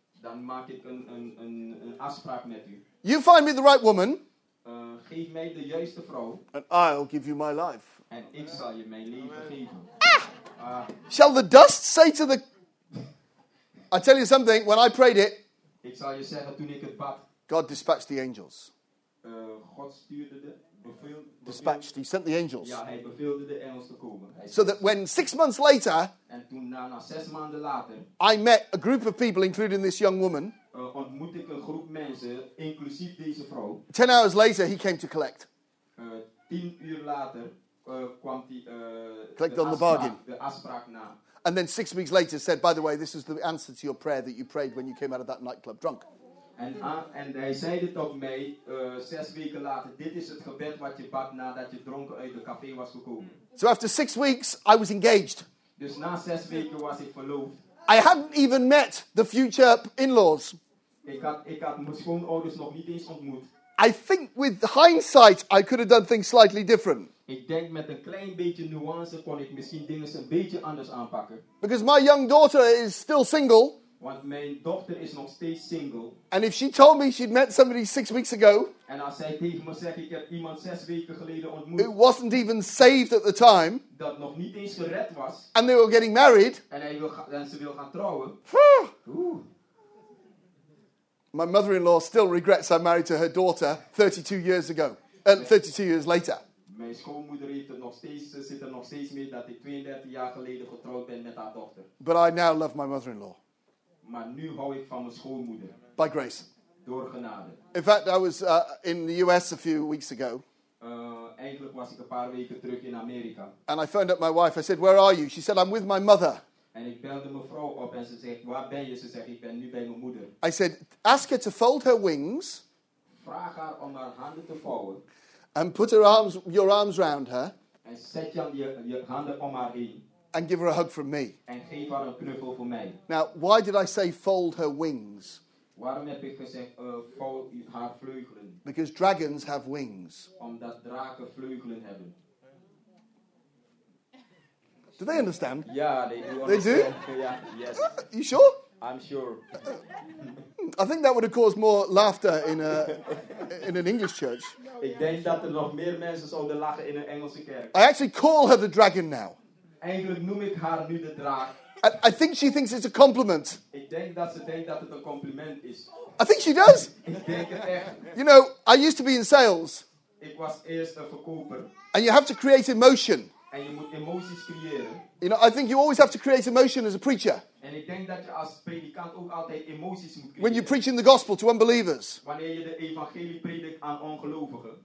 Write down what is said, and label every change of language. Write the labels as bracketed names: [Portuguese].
[Dutch] Dan maak ik een afspraak met u. [English] You find me the right woman. [Dutch] Geef mij de juiste vrouw. [English] And I'll give you my life. [Dutch] En ik zal je mijn leven geven. [English] Shall the dust say to the... I tell you something, when I prayed it, [Dutch] ik zal je zeggen, toen ik het bad, [English] God dispatched the angels. [Dutch] God stuurde de... [English] Dispatched. He sent the angels. [Dutch] Ja, hij beveelde de engels te komen. [English] So that when 6 months later, [Dutch] en toen na 6 maanden later, [English] I met a group of people, including this young woman. [Dutch] Ontmoet ik een groep mensen, inclusief deze vrouw. [English] 10 hours later, he came to collect. [Dutch] 10 uur later kwam hij. [English] Collected on the bargain. [Dutch] De afspraak na. [English] And then 6 weeks later, said, "By the way, this is the answer to your prayer that you prayed when you came out of that nightclub drunk." [Dutch] En hij zei het op mij 6 weken later. Dit is het gebed wat je bad nadat je dronken uit de café was gekomen. [English] So after 6 weeks, I was engaged. [Dutch] Dus na 6 weken was ik verloofd. [English] I hadn't even met the future in-laws. [Dutch] Ik had mijn schoonouders nog niet eens ontmoet. [English] I think with hindsight, I could have done things slightly different. [Dutch] Ik denk met een klein beetje nuance kon ik misschien dingen een beetje anders aanpakken. [English] Because my young daughter is still single. [Dutch] Want mijn dochter is nog steeds single. [English] And if she told me she'd met somebody 6 weeks ago. [Dutch] En als zij tegen me zegt, ik heb iemand 6 weken geleden ontmoet. [English] It wasn't even saved at the time. [Dutch] Dat nog niet eens gered was. [English] And they were getting married. [Dutch] En ze wil gaan trouwen. [English] My mother-in-law still regrets I married to her daughter 32 years ago. 32 years later. [Dutch] Mijn schoonmoeder heeft er nog steeds, zit er nog steeds mee dat ik 32 jaar geleden getrouwd ben met haar dochter. [English] But I now love my mother-in-law. [Dutch] Maar nu hou ik van mijn schoonmoeder. [English] By grace. [Dutch] Door genade. [English] In fact, I was in the US a few weeks ago. [Dutch] Eigenlijk was ik een paar weken terug in Amerika. [English] And I phoned up my wife. I said, where are you? She said, I'm with my mother. [Dutch] En ik belde mijn vrouw op en ze zegt, waar ben je? Ze zegt, ik ben nu bij mijn moeder. [English] I said, ask her to fold her wings. [Dutch] Vraag haar om haar handen te vouwen. [English] And put her arms, your arms round her. [Dutch] En zet je handen om haar heen. [English] And give her a hug from me. [Dutch] En geef haar een knuffel voor mij. [English] Now, why did I say fold her wings? [Dutch] Waarom heb ik gezegd, fold haar vleugelen? [English] Because dragons have wings. [Dutch] Omdat draken vleugelen hebben. [English] Do they understand? Yeah, they do understand. They do? Yeah, yes. You sure? I'm sure. I think that would have caused more laughter in a in an English church. [Dutch] Ik denk dat er nog meer mensen zouden lachen in een Engelse kerk. [English] I actually call her the dragon now. [Dutch] Eigenlijk noem ik haar nu de draak. [English] I think she thinks it's a compliment. [Dutch] Ik denk dat ze denkt dat het een compliment is. [English] I think she does. [Dutch] Ik denk het echt. [English] You know, I used to be in sales. [Dutch] Ik was eerst een verkoper. [English] And you have to create emotion. [Dutch] En je moet emoties creëren. [English] You know, I think you always have to create emotion as a preacher. [Dutch] En ik denk dat je als predikant ook altijd emoties moet creëren. [English] When you're preaching the gospel to unbelievers. [Dutch] Wanneer je de evangelie predikt aan ongelovigen.